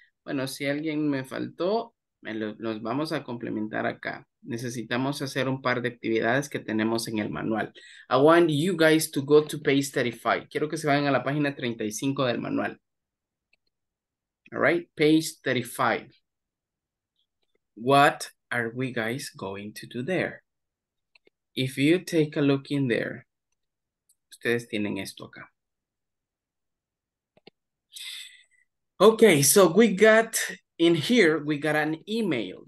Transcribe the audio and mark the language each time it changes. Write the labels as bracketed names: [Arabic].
[Spanish] Bueno, si alguien me faltó, los vamos a complementar acá. Necesitamos hacer un par de actividades que tenemos en el manual. [English] I want you guys to go to page 35. [Spanish] Quiero que se vayan a la página 35 del manual. [English] All right, page 35. What are we guys going to do there? If you take a look in there, [Spanish] ustedes tienen esto acá. [English] Okay, so we got in here, we got an email.